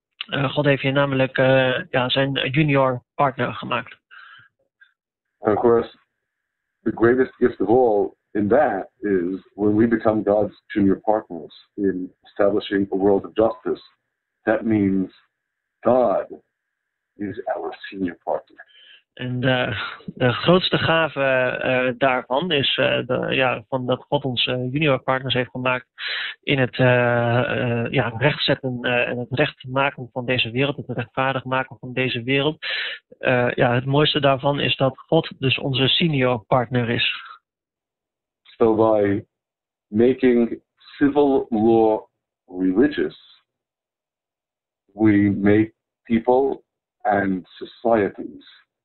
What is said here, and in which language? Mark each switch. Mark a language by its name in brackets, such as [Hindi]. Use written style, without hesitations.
[Dutch] God heeft je namelijk zijn junior partner gemaakt. [English] And of course, the greatest gift of all in that is when we become God's junior partners in establishing a world of justice. That means God is our senior partner. [Dutch] En de grootste gave daarvan is van dat God ons junior partners heeft gemaakt in het rechtzetten en het recht maken van deze wereld, het rechtvaardig maken van deze wereld. Het mooiste daarvan is dat God dus onze senior partner is. [English] So by making civil law religious, we make people and societies.